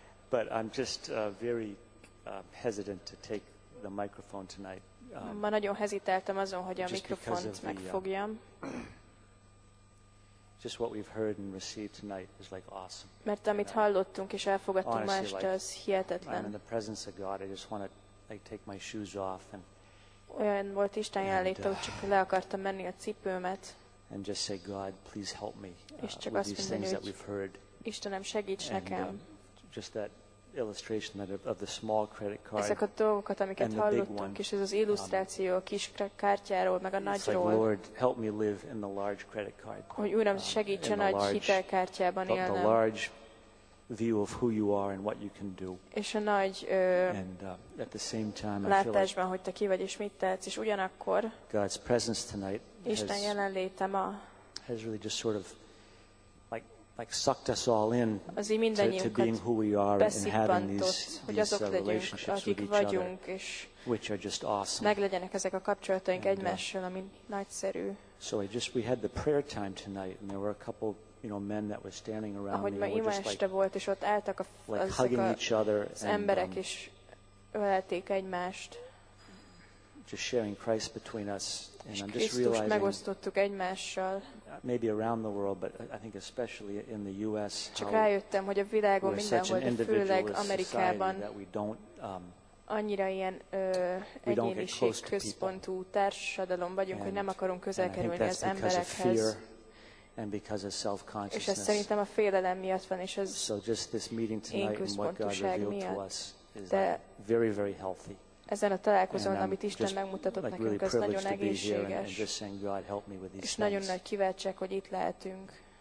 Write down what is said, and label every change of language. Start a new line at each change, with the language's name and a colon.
English: But I'm just very hesitant to take the microphone tonight.
Hungarian: Ma nagyon hezitáltam azon, hogy a mikrofont megfogjam.
English: Just what we've heard and received tonight is like awesome.
Hungarian: Mert amit hallottunk és elfogadtunk ma este, az hihetetlen.
English: I'm in the presence of God. I just want to like take my shoes off and
Hungarian: olyan volt Isten jelenléte, hogy csak le akartam menni a cipőmet.
English: And just say, God, please help me with these things that we've heard.
Hungarian: Istenem, segíts nekem.
English: Just that illustration that of the small credit card.
Hungarian: Ezek a dolgokat, amiket hallottunk, és ez az illusztráció a kis kártyáról, meg a nagyról.
English: Lord, help me live in the large credit card.
Hungarian: Hogy Uram, segíts a nagy hitelkártyában élnem.
English: The large view of who you are and what you can do.
Hungarian: És a nagy
English: at the same time,
Hungarian: látásban, like, hogy te ki vagy és mit tehetsz, és ugyanakkor
English: God's presence tonight
Hungarian: Isten jelenléte ma
English: has really just sort of like sucked us all in to being who we are and having these relationships with each other, which are just awesome.
Hungarian: Meglegyenek ezek a kapcsolataink egymással, ami nagyszerű.
English: So we had the prayer time tonight, and there were a couple, you know, men that were standing around.
Hungarian: Ahogy ma ima este volt, és ott álltak az emberek, és ölelték egymást.
English: Just sharing Christ between us, and I'm just realizing.
Hungarian: Megosztottuk egymással.
English: Maybe around the world, but I think especially in the U.S.
Hungarian: Csak rájöttem, hogy a világon mindenhol, de főleg Amerikában annyira ilyen egyéniségközpontú társadalom vagyunk, hogy nem akarunk közel kerülni az emberekhez.
English: And because of self-consciousness.
Hungarian: És ez szerintem a félelem miatt van, és ez.
English: So just this meeting tonight and what God revealed to us is very, very healthy.
Hungarian: Ezen a találkozón, amit Isten megmutatott nekünk, really az nagyon egészséges.
English: Saying,
Hungarian: és nagyon nagy kiváltság, hogy itt lehetünk.